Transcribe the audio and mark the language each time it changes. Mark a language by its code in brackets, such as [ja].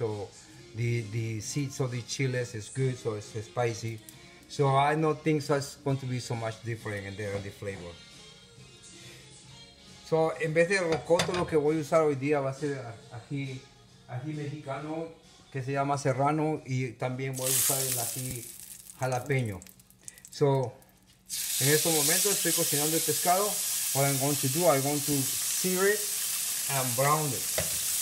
[en] So the seeds of the chiles is good, so it's spicy. So I don't think that's going to be so much different in there, the flavor. [es] So en vez de rocoto, lo que voy a usar hoy día va a ser ají mexicano, que se llama serrano, y también voy a usar el ají jalapeño. So en estos momentos estoy cocinando el pescado. [en] What I'm going to do, I'm going to sear it and brown it.